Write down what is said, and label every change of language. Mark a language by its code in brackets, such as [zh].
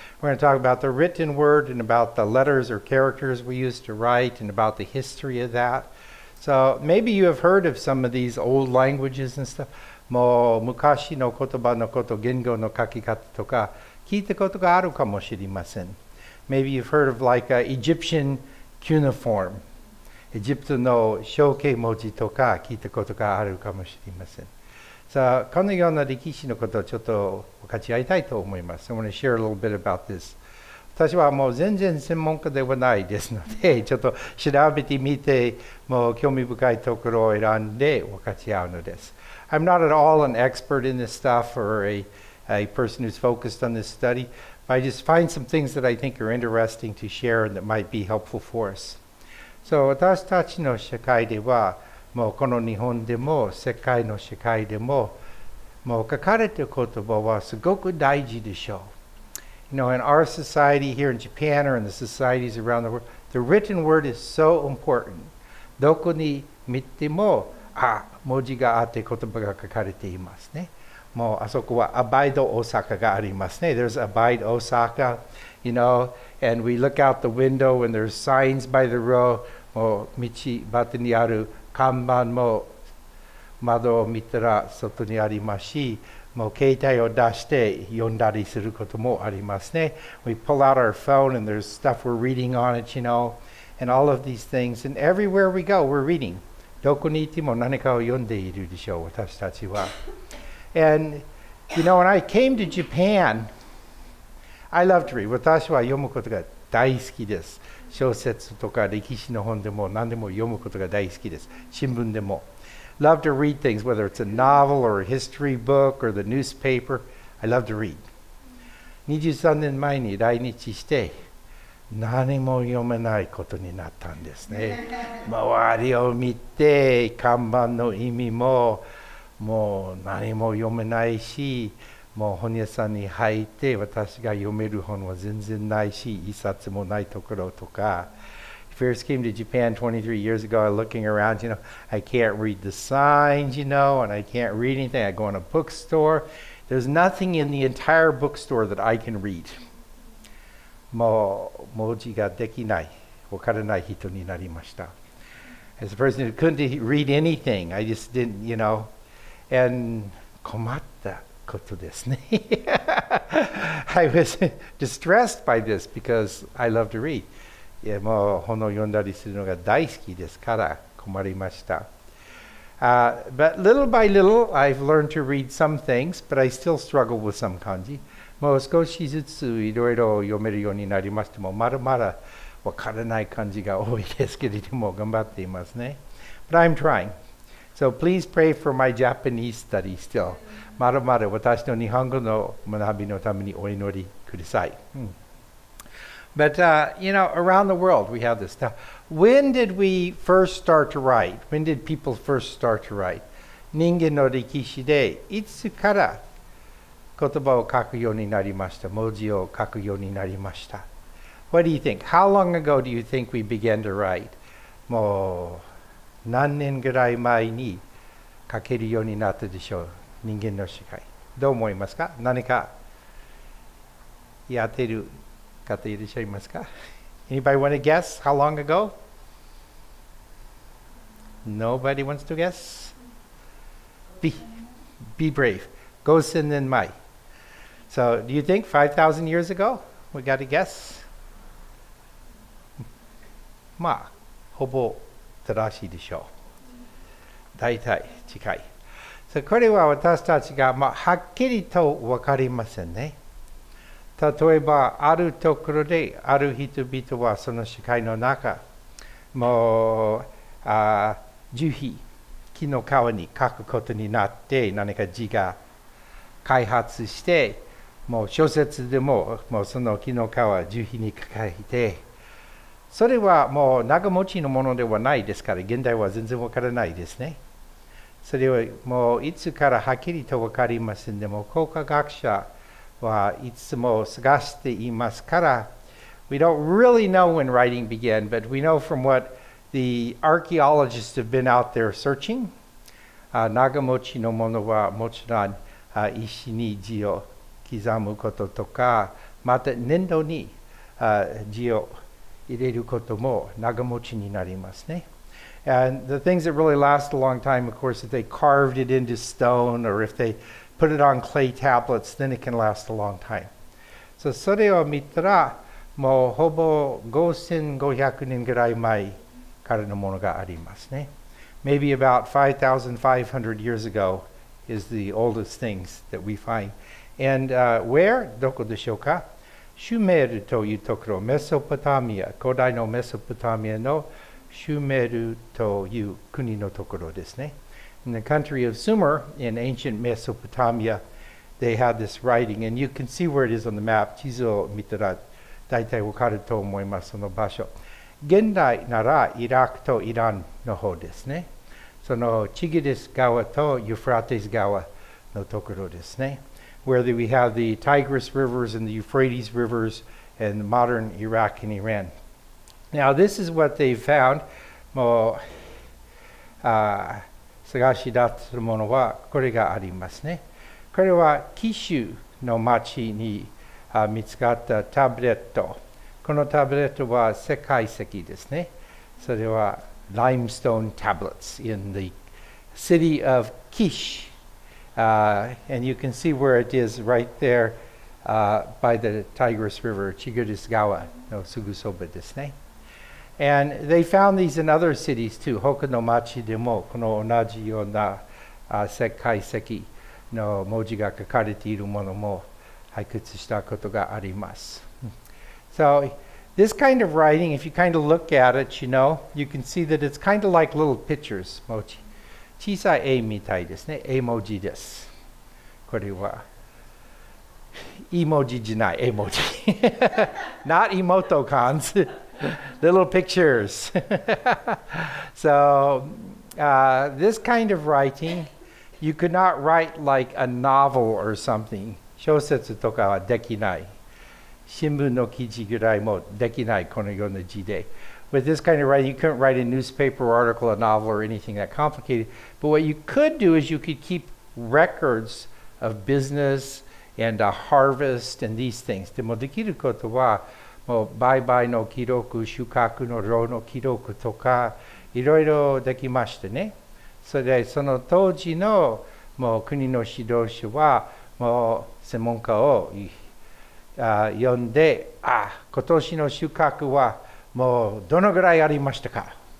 [en] We're going to talk about the written word and about the letters or characters we used to write and about the history of that. So maybe you have heard of some of these old languages and stuff. [ja] もう昔の言葉のこと、言語の書き方とか聞いたことがあるかもしれません。 [en] Maybe you've heard of like a Egyptian cuneiform. [ja] エジプトの象形文字とか聞いたことがあるかもしれません。さあ、このような歴史のことをちょっと分かち合いたいと思います。 [en] I want to share a little bit about this. [ja] 私はもう全然専門家ではないですので、ちょっと調べてみて、もう興味深いところを選んで分かち合うのです。 [en] I'm not at all an expert in this stuff or a person who's focused on this study, but I just find some things that I think are interesting to share and that might be helpful for us. [ja] So, 私たちの社会では、もうこの日本でも、世界の社会でも、もう書かれてる言葉はすごく大事でしょう。 [en] You know, in our society here in Japan or in the societies around the world, the written word is so important. [ja] どこに見ても、あ、文字があって言葉が書かれていますね。もうあそこはアバイド大阪がありますね。 [en] There's Abide Osaka, you know, and we look out the window when there's signs by the road. [ja] もう道端にある看板も窓を見たら外にありますし、もう携帯を出して読んだりすることもありますね。 [en] We pull out our phone and there's stuff we're reading on it, you know, and all of these things. And everywhere we go, we're reading. [ja] どこにいても何かを読んでいるでしょう、私たちは。 [en] And, you know, when I came to Japan, I loved to read. [ja] 私は読むことが大好きです。小説とか歴史の本でも何でも読むことが大好きです。新聞でも。 [en] Love to read things, whether it's a novel or a history book or the newspaper. I love to read. [ja] 23年前に来日して、何も読めないことになったんですね。周りを見て看板の意味ももう何も読めないし、もう本屋さんに入って私が読める本は全然ないし、一冊もないところとか。 [en] First came to Japan 23 years ago, looking around, you know, I can't read the signs, you know, and I can't read anything. I go in a bookstore. There's nothing in the entire bookstore that I can read. [ja] もう文字ができない、わからない人になりました。 [en] As a person who couldn't read anything, I just didn't, you know. [ja] And 困ったことですね。 [en] I was distressed by this because I love to read. [ja] いや、もう本を読んだりするのが大好きですから困りました。 [en] But little by little, I've learned to read some things, but I still struggle with some kanji. [ja] もう少しずついろいろ読めるようになりましても、まだまだわからない感じが多いですけれども、頑張っていますね。 [en] But I'm trying. So please pray for my Japanese study still. [ja] まだまだ私の日本語の学びのためにお祈りください。 [en] But, you know, around the world we have this stuff. When did we first start to write? When did people first start to write? [ja] 人間の歴史でいつから言葉を書くようになりました。文字を書くようになりました。 [en] What do you think? How long ago do you think we began to write? [ja] もう何年ぐらい前に書けるようになったでしょう。人間の世界。どう思いますか？何かやってる方いらっしゃいますか？ [en] Anybody want to guess how long ago? Nobody wants to guess? Be brave. [ja] 5000年前。 [en] So, do you think 5,000 years ago, we got a guess? [ja] まあ、ほぼ正しいでしょう。大体近い。So, これは私たちが、まあ、はっきりと分かりませんね。例えば、あるところで、ある人々はその視界の中、もう、樹皮、木の皮に書くことになって、何か字が開発して、もう小説でも、もうその木の皮、樹皮に書かれて、それはもう長持ちのものではないですから、現代は全然わからないですね。それはもういつからはっきりとわかりませんでも、工科学者はいつも探していますから、 [en] We don't really know when writing began, but we know from what the archaeologists have been out there searching. [ja] 長持ちのものはもちろん、石に字を刻むこととか、また粘土に字を入れることも長持ちになりますね。 [en] And the things that really last a long time, of course, if they carved it into stone or if they put it on clay tablets, then it can last a long time. [ja] So, それを見たら、もうほぼ5500年ぐらい前からのものがありますね。 [en] Maybe about 5,500 years ago is the oldest things that we find. And where? [ja] どこでしょうか? シュメルというところ、メソポタミア、古代のメソポタミアのシュメルという国のところですね。 [en] In the country of Sumer, in ancient Mesopotamia, they had this writing, and you can see where it is on the map. [ja] 地図を見たら大体わかると思います、その場所。現代ならイラクとイランの方ですね。そのチグリス川とユフラテス川のところですね。 [en] Where we have the Tigris rivers and the Euphrates rivers and modern Iraq and Iran. Now, this is what they found. [ja] もう、探し出すものはこれがありますね。これは、キシュの町に見つかったタブレット。このタブレットは石灰石ですね。それは、 [en] limestone tablets in the city of Kish. And you can see where it is right there by the Tigris River, Chigiris Gawa, [ja] のすぐそばですね。 [en] And they found these in other cities too. [ja] 他の町でもこの同じような石灰石の文字が書かれているものも発掘したことがあります。 [en] So this kind of writing, if you kind of look at it, you know, you can see that it's kind of like little pictures. [ja] 小さい絵みたいですね。絵文字です。これは。絵文字じゃない。絵文字。 [en] Not emoticons. Little pictures. So, this kind of writing, you could not write like a novel or something. [ja] 小説とかはできない。新聞の記事ぐらいもできない、このような字で。 [en] With this kind of writing, you couldn't write a newspaper article, a novel, or anything that complicated. But what you could do is you could keep records of business and a harvest and these things. [ja] でもできることは、もう売買の記録、収穫の量の記録とかいろいろできましてね。それでその当時のもう国の指導者はもう専門家を呼んで、あ、今年の収穫はもうどのぐらいありましたか。